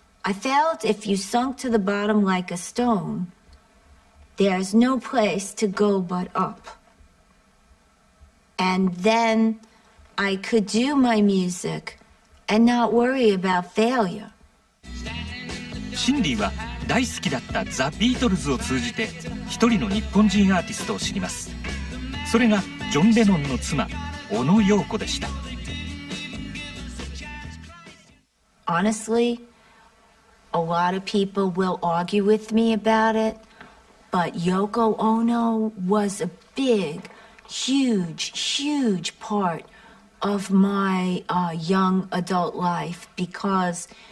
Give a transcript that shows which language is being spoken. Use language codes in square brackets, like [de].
[en] I felt if you sunk to the bottom like a stone, there's no place to go but up. And then I could do my music and not worry about failure. [ja] シンディは大好きだったザ・ビートルズを通じて一人の日本人アーティストを知ります。それがジョン・レノンの妻小野陽子でした。 [en] Honestly, a lot of people will argue with me about it, but Yoko Ono was a big, huge, huge part of my young adult life because